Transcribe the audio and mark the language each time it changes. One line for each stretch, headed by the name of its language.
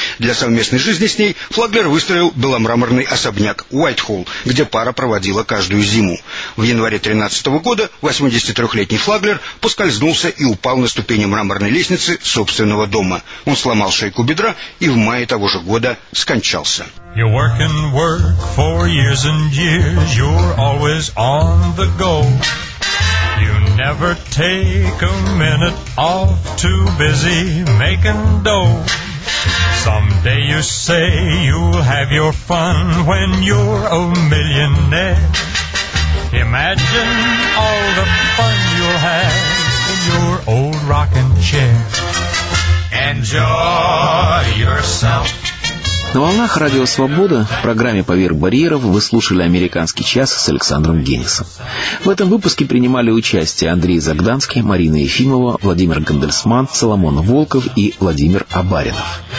Russian: Для совместной жизни с ней Флаглер выстроил беломраморный особняк Уайтхолл, где пара проводила каждую зиму. В январе 13 года 83-летний Флаглер поскользнулся и упал на ступени мраморной лестницы собственного дома. Он сломал шейку бедра и в мае того же года скончался.
English: You work and work for years and years, you're always on the go. You never take a minute off, too busy making dough. Someday you say you'll have your fun when you're a millionaire. Imagine all the fun you'll have in your old rocking chair. Enjoy yourself.
Russian: На волнах Радио Свобода в программе «Поверх барьеров» вы слушали «Американский час» с Александром Генисом. В этом выпуске принимали участие Андрей Загданский, Марина Ефимова, Владимир Гандельсман, Соломон Волков и Владимир Абаринов.